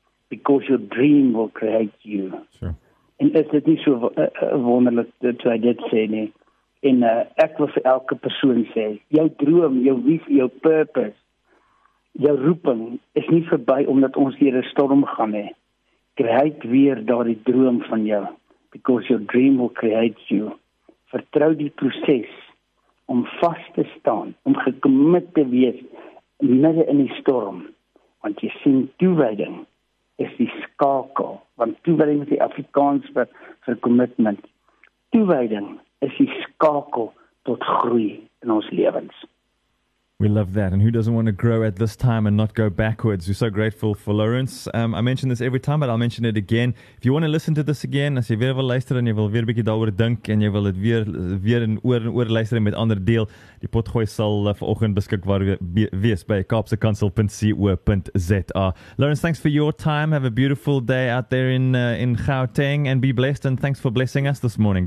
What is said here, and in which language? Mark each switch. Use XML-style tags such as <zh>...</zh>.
<en>Because your dream will create you. Sure.</en> <af>En is dit nie so wonderlik, toe hy dit sê nie, en ek wil vir elke persoon sê, jou droom, jou visie, jou purpose, jou roeping is nie verby omdat ons hier 'n storm gaan hê. Kryg weer daardie droom van jou,</af> <en>because your dream will create you.</en> <af>Vertrou die proses om vas te staan, om gekommit te wees midde in die storm, want jy sien toewyding is die skakel, want toewyding is die Afrikaans vir commitment. Toewyding is die skakel tot groei in ons lewens.</af> <en>We love that. And who doesn't want to grow at this time and not go backwards? We're so grateful for Louwerens. I mention this every time, but I'll mention it again. If you want to listen to this again,</en> <af>as jy weer wil luister en jy wil weer 'n bietjie daaroor dink en jy wil dit weer en oor luister en met ander deel, die potgooi sal vanoggend beskikbaar wees by kaapsekansel.co.za.</af> <en>Louwerens, thanks for your time. Have a beautiful day out there in Gauteng and be blessed, and thanks for blessing us this morning.</en>